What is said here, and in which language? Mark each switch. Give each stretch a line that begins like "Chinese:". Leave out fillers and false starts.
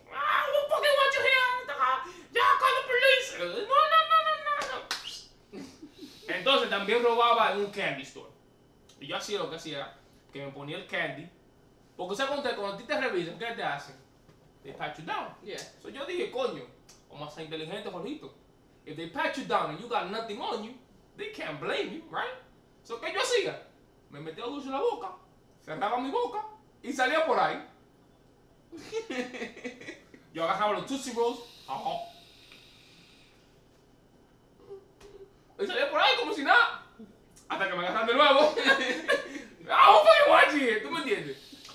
Spanish: ¡Ah, un poquito guacho, gente! ¡Ya,
English: call the police!
Spanish: No. Entonces también robaba en un
English: candy store.
Spanish: Y yo hacía lo que hacía, que me ponía el candy. Porque, ¿sabes cuando a ti te revisan, qué te hacen?
English: They pat you down. Yeah.
Spanish: So yo dije, coño. O más inteligente, Jorjito.
English: If they pat you down and you got nothing on you, they can't blame you, right?
Spanish: So, ¿qué yo hacía? Me metía dulce en la boca, cerraba mi boca y salía por ahí. Yo agarraba los Tootsie Rolls. Ajá. Y salía por ahí como si nada. Hasta que me agarran de nuevo. ¡Ah, un
English: fucking watch here!
Spanish: ¿Tú me entiendes?